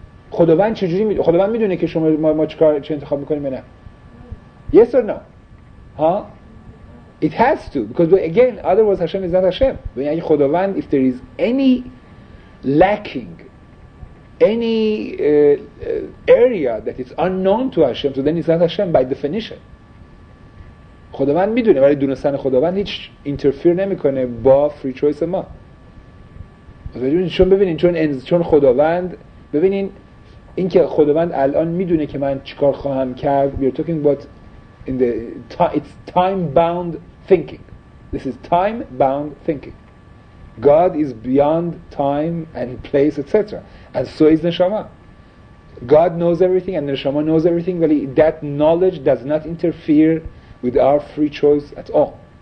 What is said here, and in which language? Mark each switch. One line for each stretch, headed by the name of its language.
Persian: خداوند چجوری میدونه؟ خداوند میدونه که شما ما چیکار چه انتخاب میکنیم یا نه.
English: Yes or no? ها؟ It has to because again otherwise Hashem is not Hashem. یعنی خداوند if there is any lacking any area that is unknown to Hashem so then it's not Hashem by definition.
Persian: خداوند میدونه ولی دونستن خداوند هیچ اینترفیر نمیکنه با free choice ما. چون ببینین چون خداوند ببینین این که خداوند الان میدونه که من چیکار خواهم کرد.
English: We are talking about in the it's time bound thinking. This is time bound thinking. God is beyond time and place etc. And so is neshama. God knows everything and neshama knows everything. Well, that knowledge does not interfere with our free choice at all.